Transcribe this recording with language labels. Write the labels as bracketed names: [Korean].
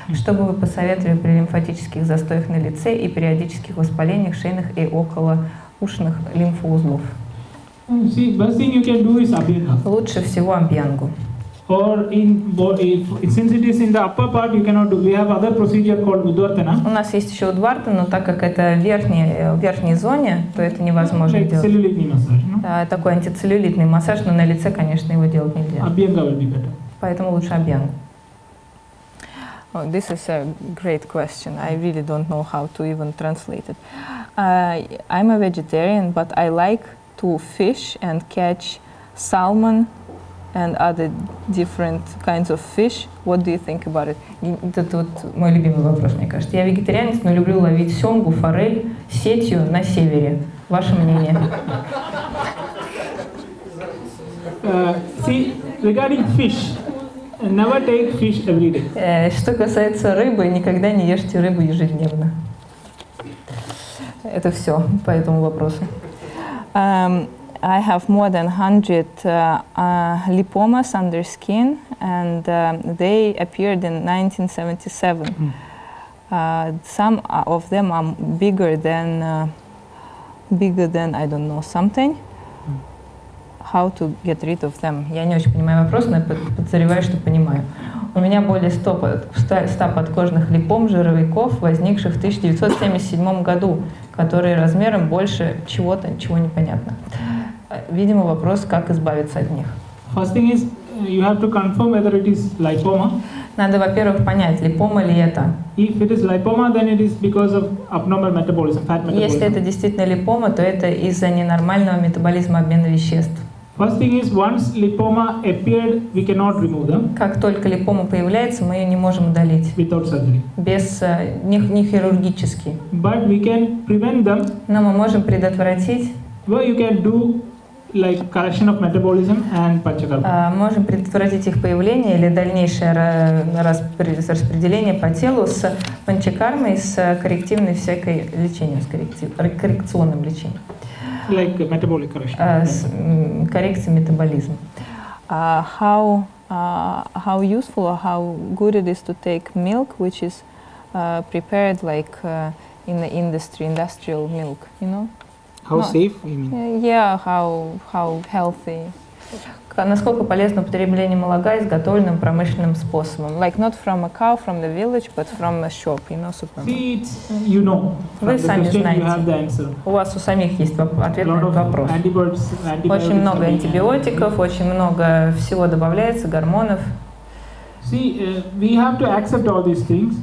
[Russian] Что бы вы посоветовали при лимфатических застоях на лице и периодических воспалениях шейных и около ушных лимфоузлов? [English] See, best thing you can do is abhyanga. [Russian] Лучше всего абьянгу. [English] Or in body, since it is in the upper part, you cannot do. We have other procedure called удвартана. [Russian] У нас есть еще удварта, но так как это верхней зоне, то это невозможно делать. Антицеллюлитный массаж, [English] no? [Russian] Такой антицеллюлитный массаж, но на лице, конечно, его делать нельзя. [English] Абьянга will be better. [Russian] Поэтому лучше абьянгу. [English] Oh, this is a great question. I really don't know how to even translate it. I'm a vegetarian, but I like to fish and catch salmon and other different kinds of fish. What do you think about it? [Russian] Это вот мой любимый вопрос, мне кажется. Я вегетарианец, но люблю ловить сёмгу, форель сетью на севере. Ваше мнение? [English] See, regarding fish, never take fish every day. [Russian] Что касается рыбы, никогда не ешьте рыбу ежедневно. Это все по этому вопросу. [English] I have more than 100 lipomas under skin, and they appeared in 1977. Some of them are bigger than I don't know something. How to get rid of them? [Russian] Я не очень понимаю вопрос, но подозреваю, что понимаю. У меня более 100 подкожных липом жировиков, возникших в 1977 году, которые размером больше чего-то, чего непонятно. Видимо, вопрос, как избавиться от них. [English] First thing is, you have to confirm whether it is lipoma. [Russian] Надо, во-первых, понять, липома ли это. [English] If it is lipoma, then it is because of abnormal metabolism, fat metabolism. [Russian] Если это действительно липома, то это из-за ненормального метаболизма обмена веществ. [English] First thing is, once lipoma appeared, we cannot remove them. [Russian] Как только липома появляется, мы ее не можем удалить. [English] Without surgery. [Russian] Без не хирургически. [English] But we can prevent them. [Russian] Но мы можем предотвратить. [English] Well, you can do like correction of metabolism and panchakarma. [Russian] Можем предотвратить их появление или дальнейшее распределение по телу с панчакармой, с коррективной всякой лечением, с коррекционным лечением. [English] Like metabolic correction. [Russian] Коррекция метаболизма. [English] How useful or how good it is to take milk, which is prepared like in the industrial milk, you know? How safe, you mean? Yeah, how healthy. [Russian] Насколько полезно употребление молока, изготовленным промышленным способом? [English] Like not from a cow, from the village, but from a shop, you know, supermarket. See, you know. [Russian] Вы сами знаете. [English] You have the answer. [Russian] У вас у самих есть ответ на этот вопрос. [English] Antibiotics, [Russian] очень много антибиотиков, очень много всего добавляется, гормонов. [English] See, we have to accept all these things.